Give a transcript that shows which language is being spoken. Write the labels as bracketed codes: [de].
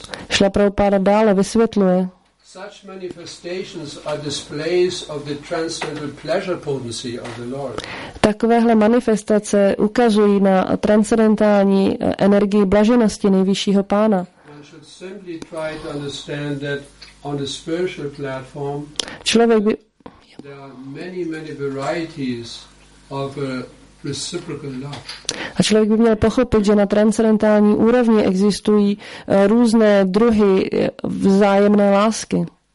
[cs] Šla Prabhupada dále vysvětluje. [en] Such manifestations are displays of the transcendental pleasure potency of the Lord. [cs] Takovéhle manifestace ukazují na transcendentální energii blaženosti nejvyššího pána. [en] One should simply try to understand that on the spiritual platform there are many, many varieties of reciprocal love. [cs] A člověk by měl pochopit, že na transcendentální úrovni existují různé druhy vzájemné lásky.